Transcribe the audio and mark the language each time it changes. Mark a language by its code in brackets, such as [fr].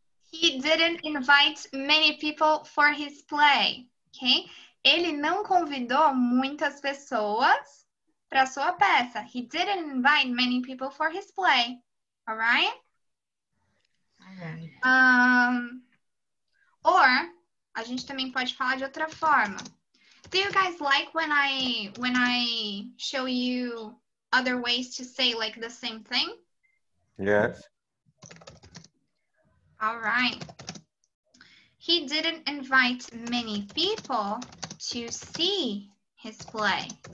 [en] He didn't invite many people for his play, ok? [pt] Ele não convidou muitas pessoas para sua peça. [en] He didn't invite many people for his play, all right? [pt] Or, a gente também pode falar de outra forma. [en] Do you guys like when I show you other ways to say, like, the same thing? Yes. All right. He didn't invite many people to see his play.